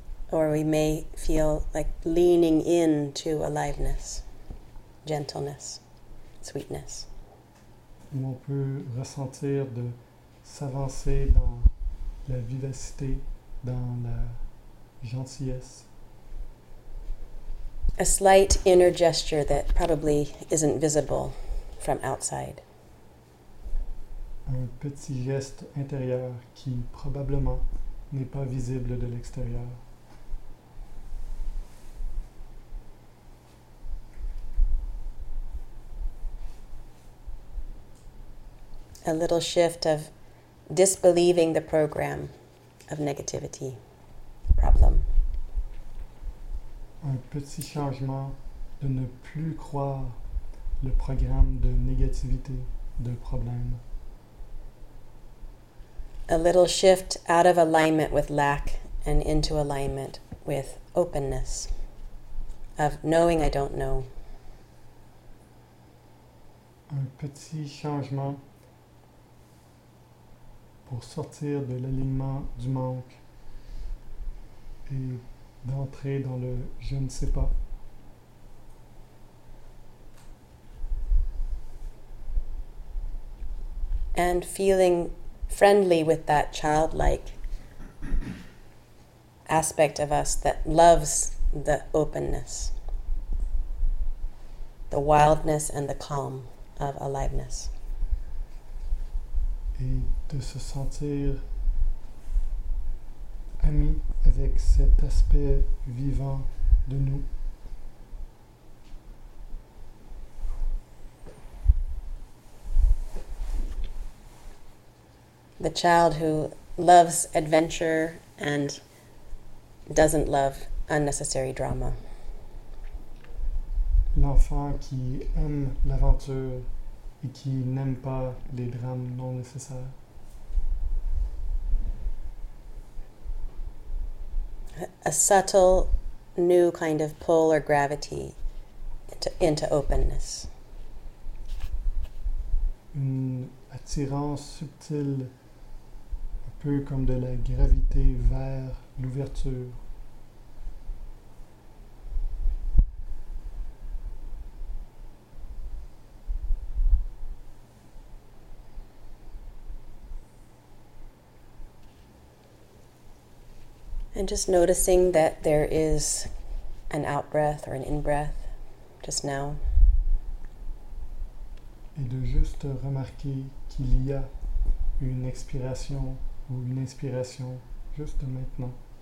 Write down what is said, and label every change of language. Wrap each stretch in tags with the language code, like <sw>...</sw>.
<en>Or we may feel like leaning into aliveness, gentleness, sweetness.</en> <fr>Ou on peut ressentir de s'avancer dans la vivacité, dans la gentillesse.</fr> <en>A slight inner gesture that probably isn't visible from outside.</en> <fr>Un petit geste intérieur qui probablement n'est pas visible de l'extérieur.</fr> <en>A little shift of disbelieving the program of negativity, problem.</en> <fr>Un petit changement de ne plus croire le programme de négativité, de problème.</fr> <en>A little shift out of alignment with lack and into alignment with openness, of knowing I don't know.</en> <fr>Un petit changement pour sortir de l'alignement du manque et d'entrer dans le « je ne sais pas ».</fr> <en>And feeling friendly with that childlike aspect of us that loves the openness, the wildness and the calm of aliveness.</en> <fr>Et de se sentir ami avec cet aspect vivant de nous.</fr> <en>The child who loves adventure and doesn't love unnecessary drama.</en> <fr>L'enfant qui aime l'aventure et qui n'aime pas les drames non nécessaires.</fr> <en>A subtle new kind of pull or gravity into openness.</en> <fr>Une attirance subtile, un peu comme de la gravité vers l'ouverture.</fr> <en>And just noticing that there is an out-breath or an in-breath just now.</en> <fr>Et de juste remarquer qu'il y a une expiration ou une inspiration juste maintenant.</fr>